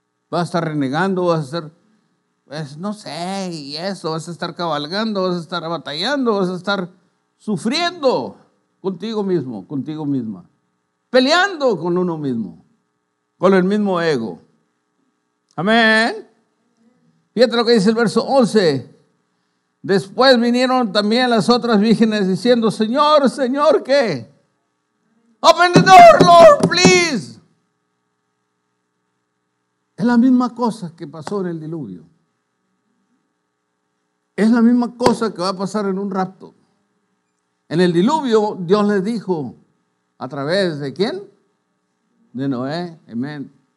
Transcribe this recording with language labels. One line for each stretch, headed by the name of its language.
Spanish: Vas a estar renegando, vas a ser, pues no sé, y eso, vas a estar cabalgando, vas a estar batallando, vas a estar sufriendo contigo mismo, contigo misma. Peleando con uno mismo, con el mismo ego. Amén. Fíjate lo que dice el verso 11. Después vinieron también las otras vírgenes diciendo, Señor, Señor, ¿qué?
English: Open the door, Lord, please.
Spanish: Es la misma cosa que pasó en el diluvio. Es la misma cosa que va a pasar en un rapto. En el diluvio, Dios les dijo, ¿a través de quién? De Noé. Amén.